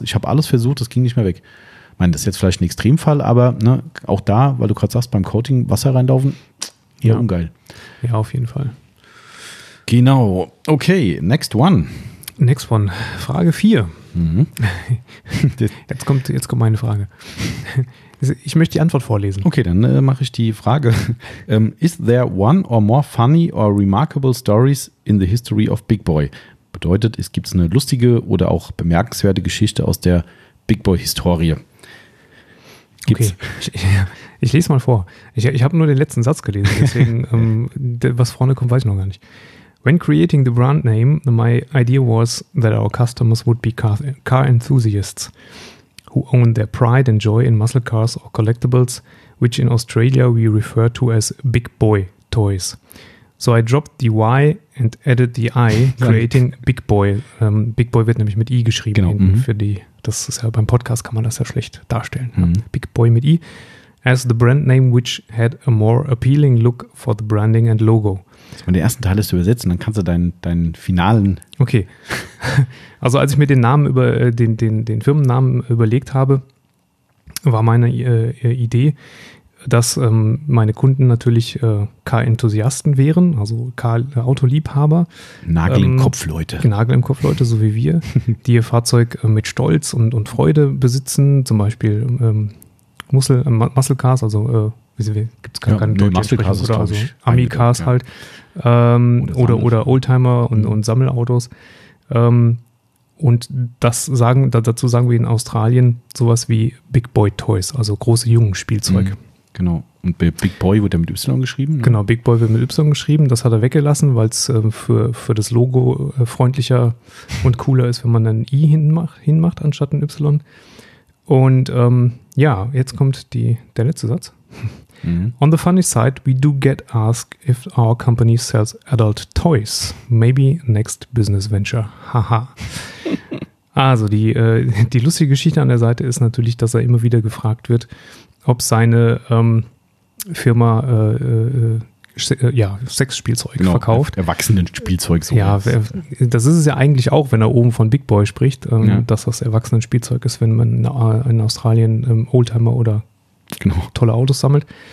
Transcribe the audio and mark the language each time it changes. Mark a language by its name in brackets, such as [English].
[German] Ich habe alles versucht, das ging nicht mehr weg. Ich meine, das ist jetzt vielleicht ein Extremfall, aber ne, auch da, weil du gerade sagst, beim Coating Wasser reinlaufen, eher ungeil. Ja, auf jeden Fall. [English] Genau. Okay, next one. Next one. [German] Frage 4. Mhm. Jetzt kommt meine Frage. Ich möchte die Antwort vorlesen. Okay, dann mache ich die Frage. [English] Is there one or more funny or remarkable stories in the history of Big Boy? [German] Bedeutet, es gibt eine lustige oder auch bemerkenswerte Geschichte aus der Big Boy-Historie. Gibt's? Okay, ich lese mal vor. Ich habe nur den letzten Satz gelesen, deswegen, was vorne kommt, weiß ich noch gar nicht. [English] When creating the brand name, my idea was that our customers would be car enthusiasts who own their pride and joy in muscle cars or collectibles, which in Australia we refer to as big boy toys. So I dropped the Y and added the I, creating big boy. [German] Big boy wird nämlich mit I geschrieben. Genau. Das ist ja beim Podcast, kann man das ja schlecht darstellen. Mhm. Big boy mit I. [English] As the brand name, which had a more appealing look for the branding and logo. [German] Wenn der ersten Teil ist übersetzen, dann kannst du deinen finalen. Okay. Also als ich mir den Firmennamen überlegt habe, war meine Idee, dass meine Kunden natürlich Car-Enthusiasten wären, also Car-Autoliebhaber. Nagel im Kopf, Leute. Nagel im Kopf, Leute, so wie wir, die ihr Fahrzeug mit Stolz und Freude besitzen, zum Beispiel Muscle Cars, also gibt es keine Deutschsprache, oder also Ami-Cars halt, oder Oldtimer und Sammelautos. Und dazu sagen wir in Australien sowas wie Big Boy Toys, also große Jungen-Spielzeug. Mhm, genau. Und Big Boy wird ja mit Y geschrieben? Ne? Genau, Big Boy wird mit Y geschrieben. Das hat er weggelassen, weil es für das Logo freundlicher und cooler ist, wenn man ein I hinmacht anstatt ein Y. Und jetzt kommt der letzte Satz. Mm-hmm. [English] On the funny side, we do get asked if our company sells adult toys. Maybe next business venture. Haha. [German] Also die lustige Geschichte an der Seite ist natürlich, dass er immer wieder gefragt wird, ob seine Firma Sex Spielzeug genau, verkauft. Erwachsenen-Spielzeug. So ja, das ist es ja eigentlich auch, wenn er oben von Big Boy spricht, dass das Erwachsenen-Spielzeug ist, wenn man in Australien Oldtimer oder tolle Autos sammelt.